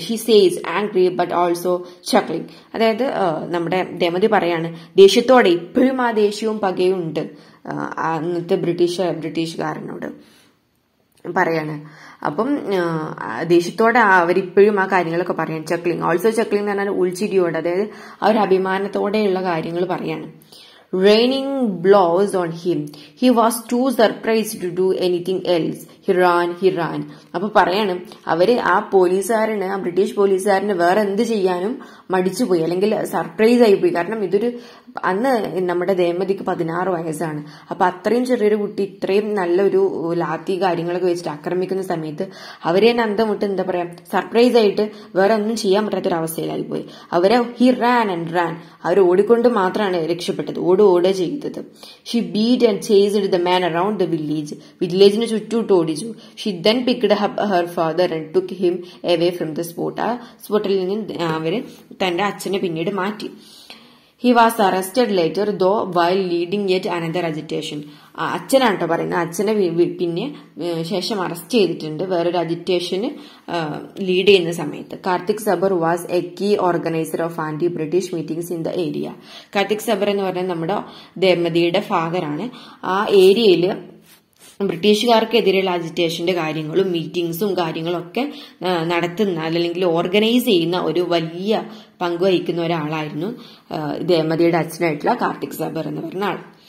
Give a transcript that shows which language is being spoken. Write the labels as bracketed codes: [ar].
[en] She says angry but also chuckling. [ml] അതായത് നമ്മുടെ ദേമതി പറയാണ് ദേഷ്യത്തോടെ ഇപ്പോഴും ആ ദേഷ്യവും പകയുണ്ട് അന്നത്തെ ബ്രിട്ടീഷുകാരനോട് പറയാണ്. അപ്പം ദേഷ്യത്തോടെ അവരിപ്പോഴും ആ കാര്യങ്ങളൊക്കെ പറയാൻ ചക്ലിംഗ് ഓൾസോ ചക്ലിംഗ് എന്ന് പറഞ്ഞാൽ ഉൾച്ചിരിയോട്, അതായത് അവർ അഭിമാനത്തോടെയുള്ള കാര്യങ്ങൾ പറയാണ്. [en] Raining blows on him. He was too surprised to do anything else. He ran. [ml] അപ്പൊ പറയാണ് അവര് ആ പോലീസുകാരന് ആ ബ്രിട്ടീഷ് പോലീസുകാരന് വേറെ എന്ത് ചെയ്യാനും മടിച്ചുപോയി, അല്ലെങ്കിൽ സർപ്രൈസ് ആയിപ്പോയി. കാരണം ഇതൊരു അന്ന് നമ്മുടെ ദേമതിക്ക് 16 വയസ്സാണ്. അപ്പൊ അത്രയും ചെറിയൊരു കുട്ടി ഇത്രയും നല്ലൊരു ലാത്തി കാര്യങ്ങളൊക്കെ വെച്ചിട്ട് ആക്രമിക്കുന്ന സമയത്ത് അവരെ തന്നെ അന്തമുട്ട് എന്താ പറയാ സർപ്രൈസ് ആയിട്ട് വേറെ ഒന്നും ചെയ്യാൻ പറ്റാത്തൊരവസ്ഥയിലായിപ്പോയി. അവരെ [en] he ran and ran, [ml] അവർ ഓടിക്കൊണ്ട് മാത്രമാണ് രക്ഷപ്പെട്ടത്, ഓടുക ചെയ്തത്. [en] She beat and chased the man around the village. [ml] വില്ലേജിന് ചുറ്റുമിട്ട് ഓടിച്ചു. [en] She then picked up her father and took him away from the spot. [ml] ആ സ്പോട്ടിൽ നിന്ന് അവര് തന്റെ അച്ഛനെ പിന്നീട് മാറ്റി. [en] He was arrested later though while leading yet another agitation. [ml] അച്ഛനാട്ടോ പറയുന്നത്, അച്ഛനെ പിന്നെ ശേഷം അറസ്റ്റ് ചെയ്തിട്ടുണ്ട് വേറൊരു അജിറ്റേഷന് ലീഡ് ചെയ്യുന്ന സമയത്ത്. [en] Kartik Sabar was a key organiser of anti British meetings in the area. [ml] Karthik സബർ എന്ന് പറഞ്ഞാൽ നമ്മുടെ ദേമതിയുടെ ഫാദറാണ്. ആ ഏരിയയില് ബ്രിട്ടീഷുകാർക്കെതിരെയുള്ള അജിറ്റേഷന്റെ കാര്യങ്ങളും മീറ്റിംഗ്സും കാര്യങ്ങളൊക്കെ നടത്തുന്ന അല്ലെങ്കിൽ ഓർഗനൈസ് ചെയ്യുന്ന ഒരു വലിയ പങ്കുവഹിക്കുന്ന ഒരാളായിരുന്നു ദേമതിയുടെ അച്ഛനായിട്ടുള്ള കാർത്തിക് സബർ എന്ന് പറയുന്ന ആൾ.